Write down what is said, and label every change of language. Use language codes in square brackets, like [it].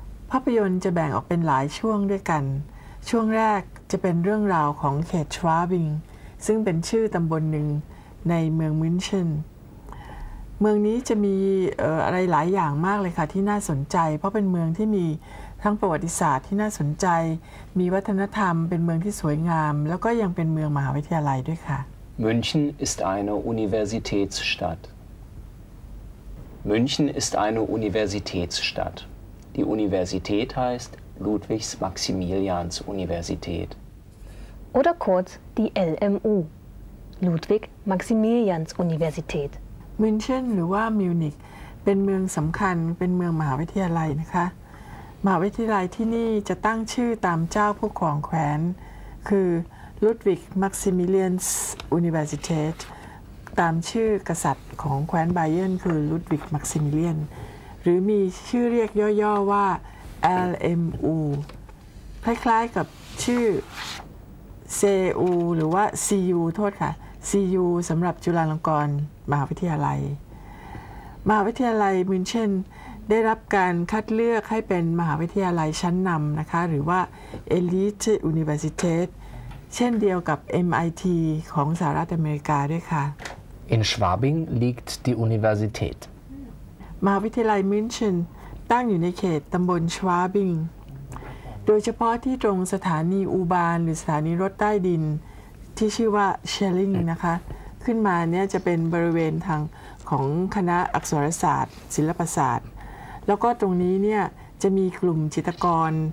[th] ภาพยนตร์จะแบ่งออกเป็นหลายช่วงด้วยกันช่วงแรกจะเป็นเรื่องราวของเขตชวาบิงซึ่งเป็นชื่อตำบลหนึ่งในเมืองมินเชนเมืองนี้จะมีอะไรหลายอย่างมากเลยค่ะที่น่าสนใจเพราะเป็นเมืองที่มีทั้งประวัติศาสตร์ที่น่าสนใจมีวัฒนธรรมเป็นเมืองที่สวยงามแล้วก็ยังเป็นเมืองมหาวิทยาลัยด้วยค่ะ [de] München ist eine Universitätsstadt. München ist eine Universitätsstadt. Die Universität heißt Ludwigs-Maximilians-Universität. Oder kurz die LMU. Ludwig-Maximilians-Universität. [th] München หรือว่า Munich เป็นเมืองสำคัญเป็นเมืองมหาวิทยาลัยนะคะมหาวิทยาลัยที่นี่จะตั้งชื่อตามเจ้าผู้ครองแคว้นคือ Ludwig Maximilians Universität ตามชื่อกษัตริย์ของแคว้นไบเอิร์นคือ Ludwig Maximilian หรือมีชื่อเรียกย่อๆว่า LMU คล้ายๆกับชื่อ CU หรือว่า CU โทษค่ะ CU สำหรับจุฬาลงกรณ์มหาวิทยาลัยมหาวิทยาลัยมินเชนได้รับการคัดเลือกให้เป็นมหาวิทยาลัยชั้นนำนะคะหรือว่า Elite University เช่นเดียวกับ MIT ของสหรัฐอเมริกาด้วยค่ะ [de] In Schwabing liegt die Universität [th] มหาวิทยาลัยมินเชนตั้งอยู่ในเขตตำบล Schwabingโดยเฉพาะที่ตรงสถานีอูบานหรือสถานีรถใต้ดินที่ชื่อว่าเชลลิงนะคะขึ้นมาเนี่ยจะเป็นบริเวณทางของคณะอักษรศาสตร์ศิลปศาสตร์แล้วก็ตรงนี้เนี่ยจะมีกลุ่มจิตรกร